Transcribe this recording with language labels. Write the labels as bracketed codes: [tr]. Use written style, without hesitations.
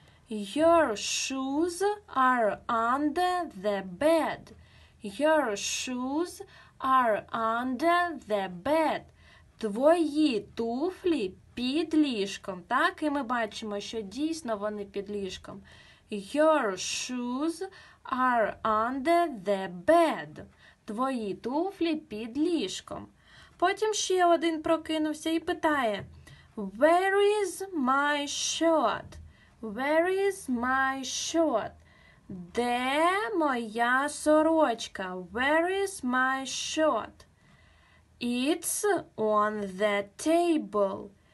[en] Your shoes are under the bed. Your shoes are under the bed. [uk] Твої туфлі під ліжком. Так, і ми бачимо, що дійсно вони під ліжком. [en] Your shoes are under the bed. [uk] Твої туфлі під ліжком. Потім ще один прокинувся і питає: [en] "Where is my shirt? Where is my shirt? [uk] Де моя сорочка? [en] Where is my shirt? It's on the table.